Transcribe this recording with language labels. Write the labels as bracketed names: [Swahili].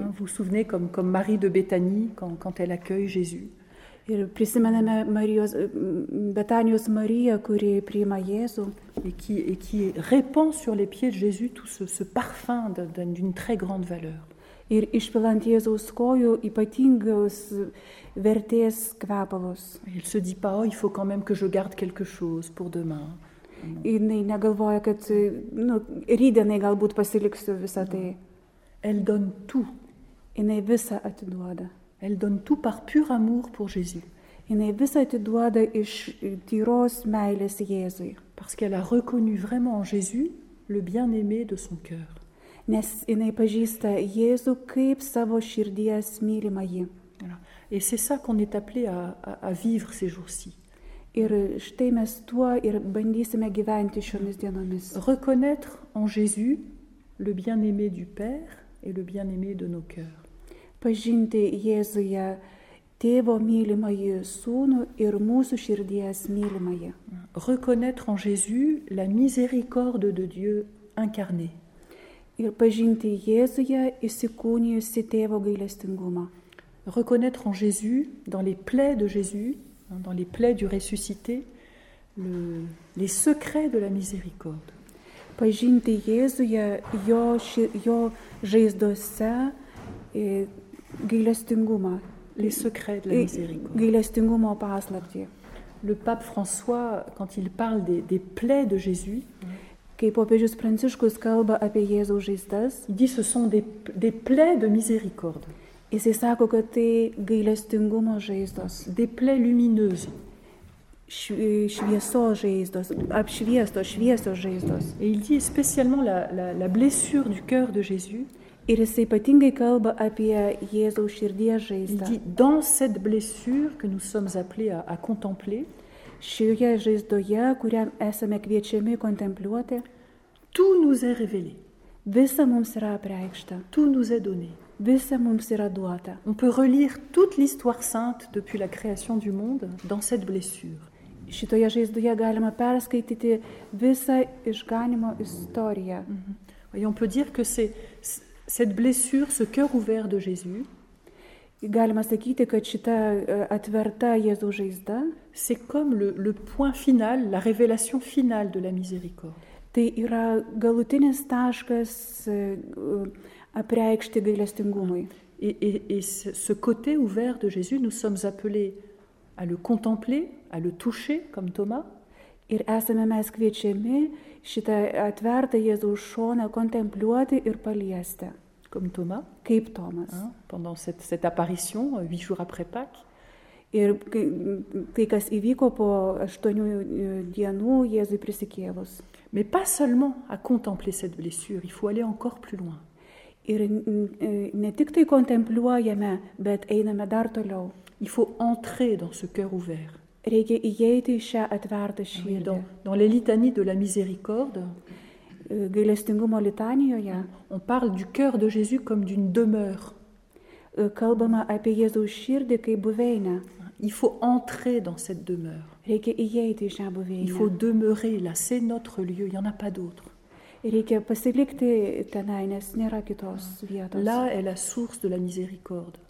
[French] Vous vous souvenez comme Marie de Bethanie quand elle accueille Jésus. [Lithuanian] Ir prisimename Betanijos Mariją, kuri priima Jėzų. [French] Et qui répand sur les pieds de Jésus tout ce parfum d'une très grande valeur. [Lithuanian] Ir išpilant Jėzaus kojų ypatingos vertės kvepalus. [French] Il se dit pas, il faut quand même que je garde quelque chose pour demain. [Lithuanian] Jinai negalvoja, kad rydienai galbūt pasiliksiu visą tai. [French] Elle donne tout. [Lithuanian] Jinai visą atiduoda. [French] Elle donne tout par pur amour pour Jésus. [Lithuanian] Jinai visą atiduoda iš tyros meilės Jėzui. [French] Parce qu'elle a reconnu vraiment en Jésus le bien-aimé de son cœur. [Lithuanian] Nes jinai pažįsta Jėzų kaip savo širdies mylimąjį. [French] Et c'est ça qu'on est appelé à vivre ces jours-ci. [Lithuanian] Ir štai mes tuo ir bandysime gyventi šiomis dienomis. [French] Reconnaître en Jésus le bien-aimé du Père et le bien-aimé de nos cœurs. [Lithuanian] Pažinti Jėzuje Tėvo mylimąjį Sūnų ir mūsų širdies mylimąjį. [French] Reconnaître en Jésus la miséricorde de Dieu incarnée. [Lithuanian] Ir pažinti Jėzuje įsikūnijusį Tėvo gailestingumą. [French] Reconnaître en Jésus, dans les plaies de Jésus, dans les plaies du ressuscité, les secrets de la miséricorde. [Lithuanian] Pažinti Jėzuje jo žaizdose gailestingumą. [French] Les secrets de la miséricorde. [Lithuanian] Gailestingumo paslaptį. [French] Le pape François, quand il parle des plaies de Jésus, [Lithuanian] kai popiežius Pranciškus kalba apie Jėzaus žaizdas, [French] il dit ce sont des plaies de miséricorde. [Lithuanian] Jisai sako, kad tai gailestingumo žaizdos. [French] Des plaies lumineuses. [Lithuanian] Šviesos žaizdos, apšviestos, šviesos žaizdos. [French] Et il dit spécialement la blessure du cœur de Jésus. [Lithuanian] Ir jisai ypatingai kalba apie Jėzaus širdies žaizdą. [French] Il dit dans cette blessure que nous sommes appelés à contempler. [Lithuanian] Šioje žaizdoje, kurią esame kviečiami kontempliuoti. [French] Tout nous est révélé. [Lithuanian] Visa mums yra apreikšta. [French] Tout nous est donné. [Lithuanian] Visa mums yra duota. [French] On peut relire toute l'histoire sainte depuis la création du monde dans cette blessure. [Lithuanian] Šitoje žaizdoje galima perskaityti visą išganimo istoriją. [French] Et on peut dire que c'est cette blessure, ce cœur ouvert de Jésus. [Lithuanian] Galima sakyti, kad šita atverta Jėzaus žaizda, [French] c'est comme le point final, la révélation finale de la miséricorde. [Lithuanian] Tai yra galutinis taškas apreikšti gailestingumui. [French] Et ce côté ouvert de Jésus, nous sommes appelés à le contempler, à le toucher comme Thomas. [Lithuanian] Ir esame mes kviečiami šitą atvertą Jėzaus šoną kontempliuoti ir paliesti. [French] Comme Thomas. [Lithuanian] Kaip Thomas. Hein, [French] pendant cette apparition, 8 jours après Pâques. [Lithuanian] Ir tai, kas įvyko po 8 dienų Jėzui prisikėlus. [French] Mais pas seulement à contempler cette blessure, il faut aller encore plus loin. [Lithuanian] Ir ne tik tai kontempliuojame, bet einame dar toliau. [French] Il faut entrer dans ce cœur ouvert. [Lithuanian] Reikia įeiti į šią atvertą širdį. [French] Oui, dans les litanies de la miséricorde. [Lithuanian] Gailestingumo litanijoje. [French] On parle du cœur de Jésus comme d'une demeure. [Lithuanian] Kalbama apie Jėzaus širdį kaip buveinę. [French] Il faut entrer dans cette demeure. [Lithuanian] Reikia įeiti į šią buveinę. [French] Il faut demeurer là, c'est notre lieu, il n'y en a pas d'autre. [Lithuanian] Reikia pasilikti tenai, nes nėra kitos vietos. [French] Là est la source de la miséricorde.